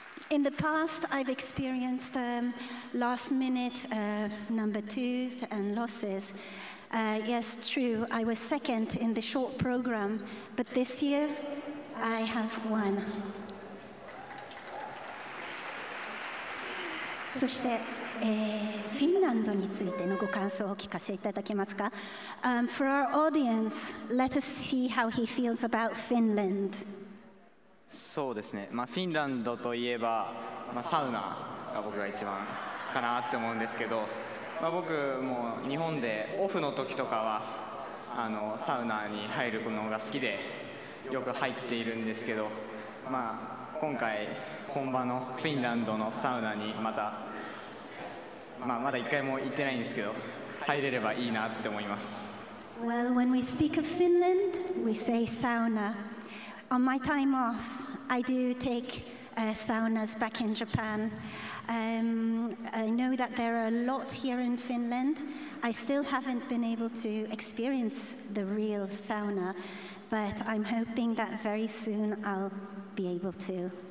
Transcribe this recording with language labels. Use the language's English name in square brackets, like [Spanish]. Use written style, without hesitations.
[English] In the past, I've experienced last-minute number twos and losses. Yes, true, I was second in the short program, but this year, I have won. [Japanese] そして、フィンランドについてのご感想をお聞かせいただけますか。 [English] For our audience, let us see how he feels about Finland. [Japanese] そうですね。まあ、フィンランドといえば、まあ、サウナが僕が一番かなって思うんですけど、まあ、僕も日本でオフの時とかはあのサウナに入るのが好きでよく入っているんですけど、まあ、今回本場のフィンランドのサウナにまた、まあ、まだ一回も行ってないんですけど入れればいいなって思います。 [English] Well, when we speak of Finland, we say sauna. On my time off, I do take saunas back in Japan. I know that there are a lot here in Finland. I still haven't been able to experience the real sauna, but I'm hoping that very soon I'll be able to.